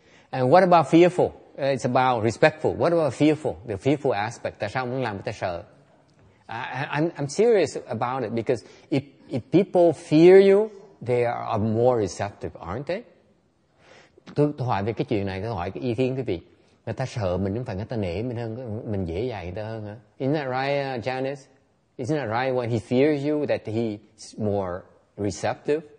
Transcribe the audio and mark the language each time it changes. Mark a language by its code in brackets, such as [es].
[en] And what about fearful? It's about respectful. What about fearful? The fearful aspect. [vi] Tại sao muốn làm người ta sợ? [en] I'm serious about it because if people fear you, they are more receptive, aren't they? [vi] Tôi hỏi về cái chuyện này, tôi hỏi cái ý kiến quý vị. Người ta sợ mình, không phải người ta nể mình hơn, mình dễ dạy người ta hơn hả? [en] Isn't that right, Janice? Isn't that right when he fears you that he's more receptive?